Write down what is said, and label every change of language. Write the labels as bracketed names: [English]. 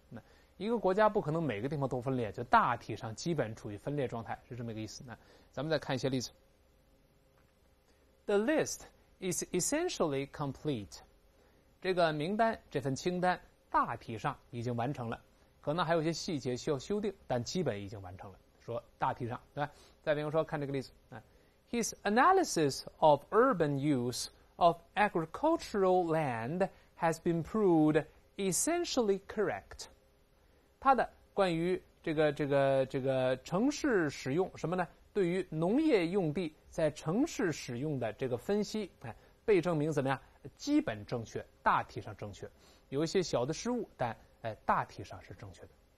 [Chinese] 那一个国家不可能每个地方都分裂，就大体上基本处于分裂状态，是这么一个意思。那咱们再看一些例子。 The list is essentially complete，这个名单这份清单大体上已经完成了，可能还有一些细节需要修订，但基本已经完成了，说大体上对吧。 [English] 再比如说看这个例子， His analysis of urban use of agricultural land has been proved essentially correct. [Chinese] 他的关于这个城市使用什么呢？对于农业用地在城市使用的这个分析，被证明怎么样？基本正确，大体上正确。有一些小的失误，但大体上是正确的。